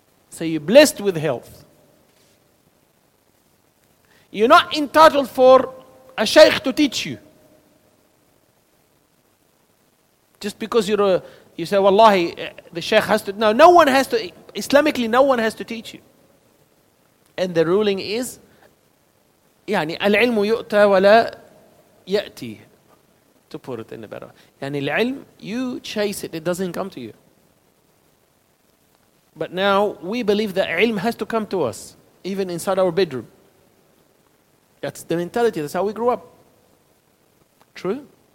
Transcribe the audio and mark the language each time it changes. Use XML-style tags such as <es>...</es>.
<en>So you're blessed with health. You're not entitled for a sheikh to teach you. Just because you say, wallahi, the sheikh has to. No, no one has to. Islamically, no one has to teach you. And the ruling is,</en> <ar>يعني العلم يؤتى ولا يأتي.</ar> <en>To put it in a better way.</en> <ar>يعني العلم,</ar> <en>you chase it, it doesn't come to you. But now, we believe that ilm has to come to us, even inside our bedroom. That's the mentality, that's how we grew up. True?</en>